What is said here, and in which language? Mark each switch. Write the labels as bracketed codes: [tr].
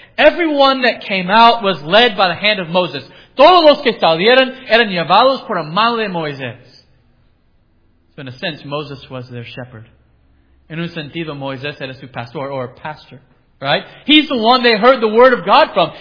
[en] Everyone that came out was led by the hand of Moses. [es] Todos los que salieron eran llevados por la mano de Moisés. [en] So in a sense, Moses was their shepherd. [es] En un sentido, Moisés era su pastor [en] or pastor. Right? He's the one they heard the word of God from.